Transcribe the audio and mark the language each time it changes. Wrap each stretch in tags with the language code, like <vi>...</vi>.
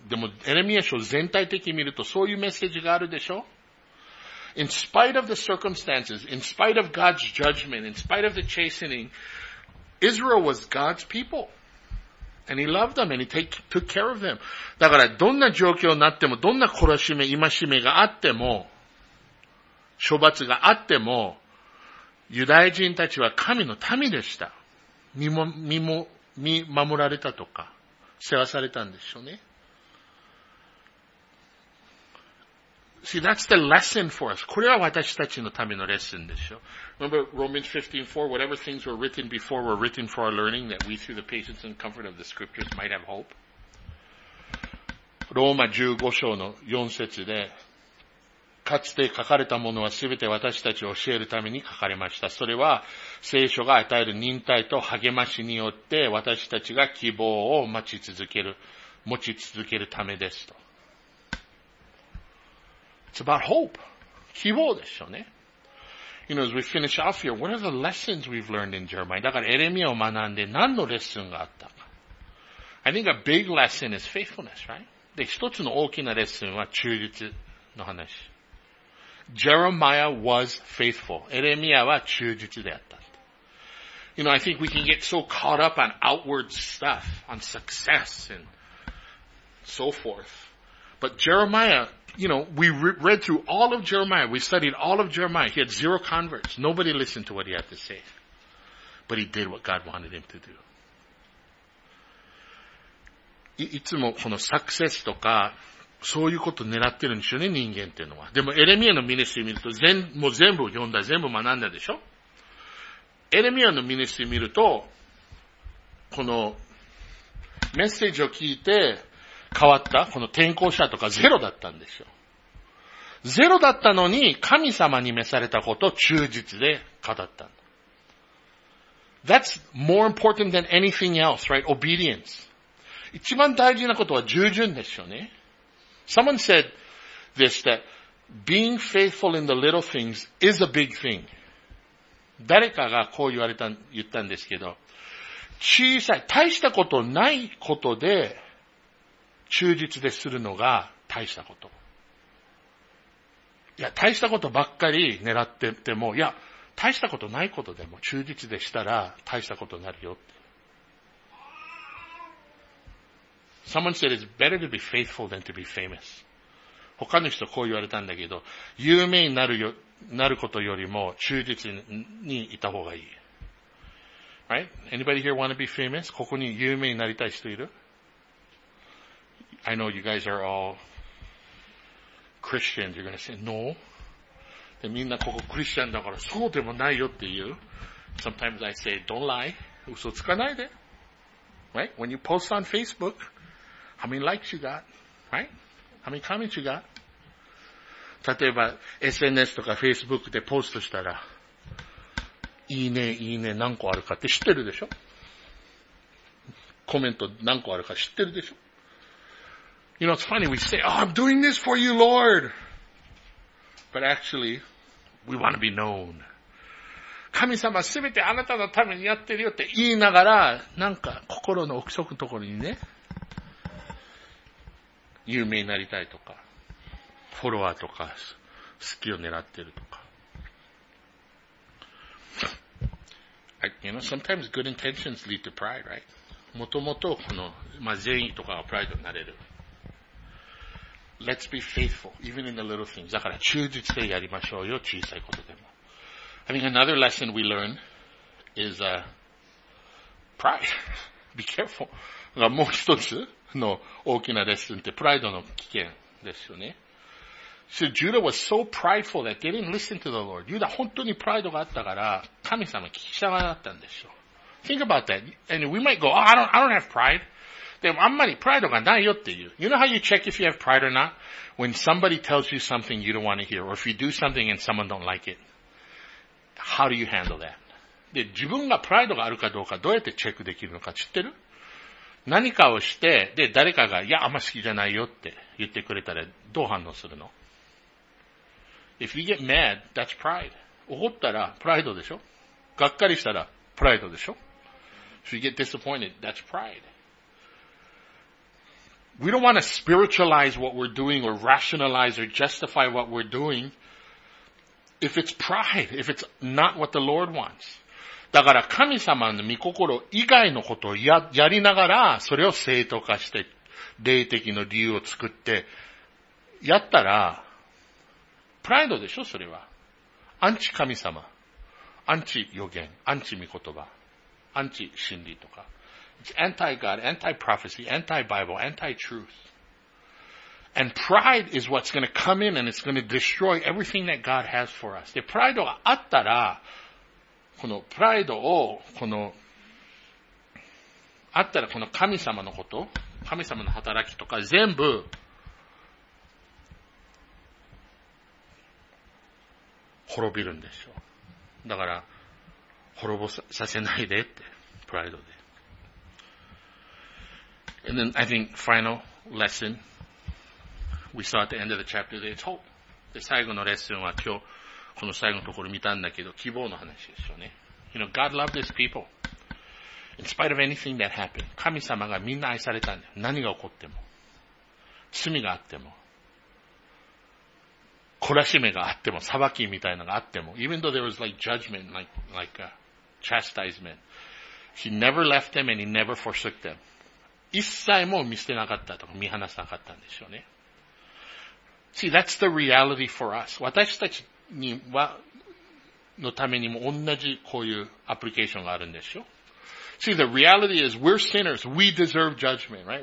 <ja>でも、エレミア書全体的に見るとそういうメッセージがあるでしょ?</ja> <en>In spite of the circumstances, in spite of God's judgment, in spite of the chastening, Israel was God's people. And he loved them and he took care of them.</en> <ja>だから、どんな状況になっても、どんな懲らしめ、戒めがあっても、処罰があっても、ユダヤ人たちは神の民でした。見守られたとか、世話されたんでしょうね。</ja> <en>See, that's the lesson for us.</en> <ja>これは私たちのためのレッスンでしょ。</ja> <en>Remember Romans 15:4, whatever things were written before were written for our learning, that we through the patience and comfort of the scriptures might have hope.</en> <ja>ローマ15章の4節で、かつて書かれたものはすべて私たちを教えるために書かれました。それは聖書が与える忍耐と励ましによって私たちが希望を待ち続ける、持ち続けるためですと。</ja> <en>It's about hope.</en> <ja>希望でしょうね。</ja> <en>You know, as we finish off here, what are the lessons we've learned in Jeremiah?</en> <ja>だからエレミアを学んで何のレッスンがあったか。</ja> <en>I think a big lesson is faithfulness, right?</en> <ja>で、一つの大きなレッスンは忠実の話。</ja> <en>Jeremiah was faithful.</en> <ja>エレミアは忠実であった。</ja> <en>You know, I think we can get so caught up on outward stuff, on success and so forth. But Jeremiah, you know, we read through all of Jeremiah. We studied all of Jeremiah. He had zero converts. Nobody listened to what he had to say. But he did what God wanted him to do.</en> <ja>いつもこのサクセスとか、そういうこと狙ってるんでしょうね、人間っていうのは。でも、エレミアのミニスティ見ると、もう全部読んだ、全部学んだでしょ？エレミアのミニスティ見ると、この、メッセージを聞いて変わった、この転校者とかゼロだったんですよ。ゼロだったのに、神様に召されたことを忠実で語った。</ja> <en>That's more important than anything else, right? Obedience.</en> <ja>一番大事なことは従順ですよね。</ja> <en>Someone said this, that being faithful in the little things is a big thing.</en> <ja>誰かがこう言ったんですけど、小さい、大したことないことで忠実でするのが大したこと。いや、大したことばっかり狙ってても、いや、大したことないことでも忠実でしたら大したことになるよって。</ja> <en>Someone said it's better to be faithful than to be famous.</en> <ja>他の人こう言われたんだけど、有名になるなることよりも忠実にいた方がいい。</ja> <en>Right? Anybody here want to be famous?</en> <ja>ここに有名になりたい人いる？</ja> <en>I know you guys are all Christians. You're going to say no.</en> <ja>で、みんなここクリスチャンだからそうでもないよっていう。</ja> <en>Sometimes I say, don't lie.</en> <ja>嘘つかないで。</ja> <en>Right? When you post on Facebook,How many likes you got? Right? How many comments you got?</en> <ja>例えば、SNS とか Facebook でポストしたら、いいね、いいね、何個あるかって知ってるでしょ？コメント何個あるか知ってるでしょ？</ja> <en>You know, it's funny, we say, oh, I'm doing this for you, Lord! But actually, we want to be known.</en> <ja>神様、すべてあなたのためにやってるよって言いながら、なんか心の奥底のところにね、有名になりたいとか、フォロワーとか、好きを狙ってるとか。</ja> <en>You know, sometimes good intentions lead to pride, right?</en> <ja>もともとこの、まあ、善意とかはプライドになれる。</ja> <en>Let's be faithful, even in the little things.</en> <ja>だから忠実でやりましょうよ、小さいことでも。</ja> <en>I think another lesson we learn is, pride. Be careful.</en> <ja>がもう一つ。の大きなレッスンってプライドの危険ですよね。</ja> <en>So Judah was so prideful that they didn't listen to the Lord.</en> <ja>Judah 本当にプライドがあったから神様聞き従ったんでしょう。</ja> <en>Think about that. And we might go, oh, I don't have pride.</en> <ja>でもあんまりプライドがないよっていう。</ja> <en>You know how you check if you have pride or not? When somebody tells you something you don't want to hear, or if you do something and someone don't like it, how do you handle that?</en> <ja>で、自分がプライドがあるかどうかどうやってチェックできるのか知ってる？何かをして、で、誰かが、いや、あんま好きじゃないよって言ってくれたら、どう反応するの？</ja> <en>If you get mad, that's pride.</en> <ja>怒ったら、プライドでしょ？がっかりしたら、プライドでしょ？</ja> <en>If you get disappointed, that's pride. We don't want to spiritualize what we're doing, or rationalize, or justify what we're doing, if it's pride, if it's not what the Lord wants.</en> <ja>だから神様の御心以外のことを やりながらそれを正当化して霊的の理由を作ってやったらプライドでしょそれはアンチ神様アンチ予言アンチ御言葉アンチ真理とか</ja> <en>It's anti-God, anti-prophecy, anti-Bible, anti-truth And pride is what's going to come in and it's going to destroy everything that God has for us.</en> <ja>で、プライドがあったら、このプライドを、この、あったらこの神様のこと、神様の働きとか全部、滅びるんですよ。だから、滅ぼさせないでって、プライドで。</ja> <en>And then I think final lesson, we saw at the end of the chapter, there's hope.</en> <ja>で、最後のレッスンは今日、この最後のところ見たんだけど、希望の話ですよね。</ja> <en>You know, God loved his people. In spite of anything that happened,</en> <ja>神様がみんな愛されたんだよ。何が起こっても。罪があっても。懲らしめがあっても、裁きみたいなのがあっても、</ja> <en>even though there was like judgment, like a chastisement, he never left them and he never forsook them.</en> <ja>一切も見捨てなかったとか、見放さなかったんでしょうね。</ja> <en>See, that's the reality for us.</en> <ja>私たちには、のためにも同じこういうアプリケーションがあるんでしょう。</ja> <en>See, the reality is we're sinners. We deserve judgment, right?</en>